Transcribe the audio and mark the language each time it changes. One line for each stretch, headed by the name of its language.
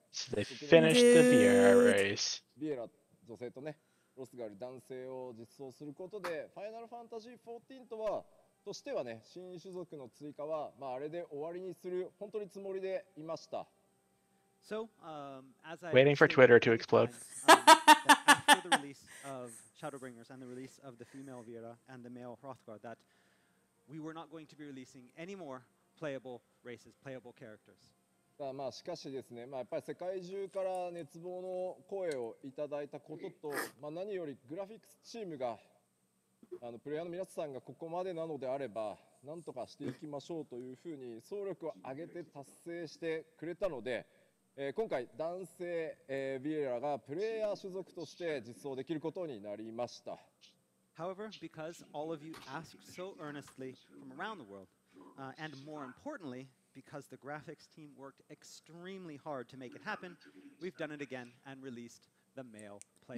English: So they finished the Vera race.
Japanese: Vera 女性とね。ロスガル男性を実装することでファイナルファンタジー14とはとしてはね新種族の追加は、まあ、あれで終わりにする本当につもりでいました
English: So, as I waiting for Twitter to explode. after the release of Shadowbringers and the release of the female Vera and the male Hrothgar, that we were not going to be releasing any more playable races, playable characters.
Japanese: まあ、しかしですね、まあ、やっぱり世界中から熱望の声をいただいたことと、まあ、何よりグラフィックスチームが、プレイヤーの皆さんがここまでなのであれば、なんとかしていきましょうというふうに総力を挙げて達成してくれたので、今回男性ビエラがプレイヤー所属として実装できることになりました。
English: However, because all of you asked so earnestly from around the world, and more importantly, because the graphics team worked extremely hard to make it happen, we've done it again and released the male player.